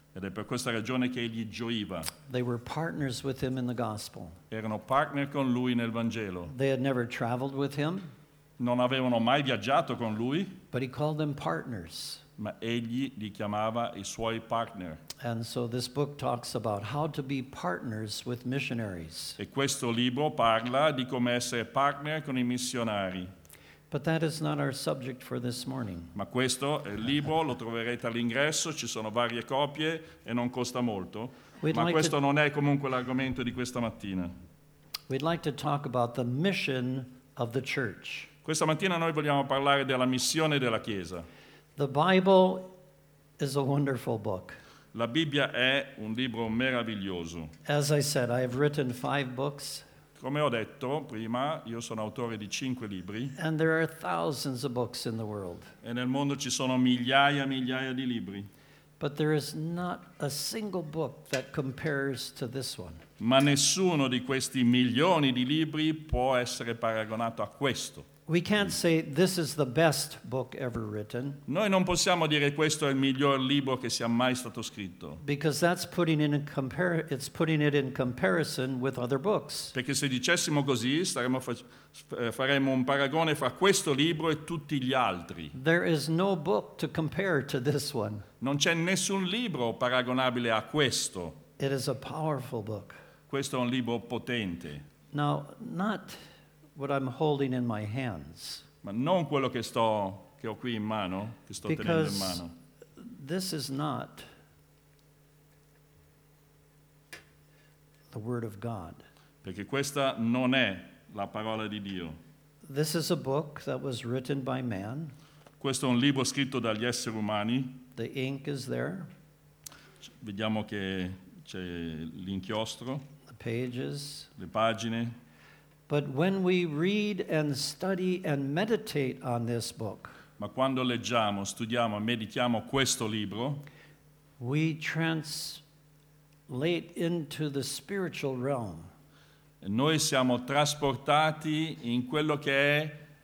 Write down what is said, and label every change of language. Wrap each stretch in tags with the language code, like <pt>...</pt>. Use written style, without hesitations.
<it>Ed è per questa ragione che egli gioiva.</it> <en>They were partners with him in the gospel.</en> <it>Erano partner con lui nel Vangelo.</it> <en>They had never traveled with him.</en> <it>Non avevano mai viaggiato con lui.</it> <en>But he called them partners.</en> <it>Ma egli li chiamava I suoi partner.</it> <en>And so this book talks about how to be partners with missionaries.</en> <it>E questo libro parla di come essere partner con I missionari.</it> <en>But that is not our subject for this morning.</en> <it>Ma questo è il libro, lo troverete all'ingresso, ci sono varie copie e non costa molto.</it> <en>We'd</en> <it>ma</it> <en>like</en> <it>questo</it> <en>to...</en> <it>non è comunque l'argomento di questa mattina.</it> <en>We'd like to talk about the mission of the church.</en> <it>Questa mattina noi vogliamo parlare della missione della Chiesa.</it> <en>The Bible is a wonderful book.</en> <it>La Bibbia è un libro meraviglioso.</it> <en>As I said, I have written 5 books.</en> <it>Come ho detto prima, io sono autore di 5 libri.</it> <en>And there are thousands of books in the world.</en> <it>E nel mondo ci sono migliaia e migliaia di libri.</it> <en>But there is not a single book that compares to this one.</en> <it>Ma nessuno di questi milioni di libri può essere paragonato a questo.</it> <en>We can't say this is the best book ever written.</en> <it>Noi non possiamo dire questo è il miglior libro che sia mai stato scritto.</it> <en>Because that's putting it in it's putting it in comparison with other books.</en> <it>Perché se dicessimo così, faremmo un paragone fra questo libro e tutti gli altri.</it> <en>There is no book to compare to this one.</en> <it>Non c'è nessun libro paragonabile a questo.</it> <en>It is a powerful book.</en> <it>Questo è un libro potente.</it> <en>Now, not what I'm holding in my hands.</en> <it>Ma non quello che sto che ho qui in mano, che sto</it> <en>Because</en> <it>tenendo in mano.</it> <en>This is not the word of God.</en> <it>Perché questa non è la parola di Dio.</it> <en>This is a book that was written by man.</en> <it>Questo è un libro scritto dagli esseri umani.</it> <en>The ink is there.</en> <it>Vediamo che c'è l'inchiostro.</it> <en>The pages.</en> <it>Le pagine.</it> <en>But when we read and study and meditate on this book,</en> <it>ma quando leggiamo, studiamo, meditiamo questo libro,</it> <en>we translate into the spiritual realm.</en> <it>E noi siamo trasportati in quello che è</it>